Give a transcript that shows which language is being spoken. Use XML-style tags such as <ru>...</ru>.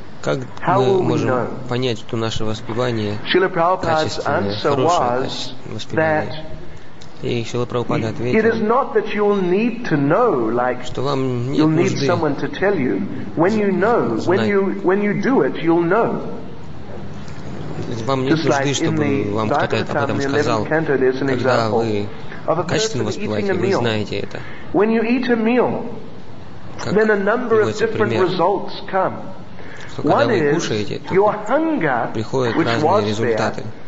<ru>Как мы можем понять, что наше воспевание качественное, хорошее воспевание?</ru> <en>It is not that you will need to know, like you'll need someone to tell you. When you know, when you do it, you'll know.</en> <ru>Вам нет нужды, чтобы вам кто-то об этом сказал. Когда вы качественно воспеваете, вы знаете это. Как приводится пример, что когда вы кушаете, то приходят разные результаты.</ru>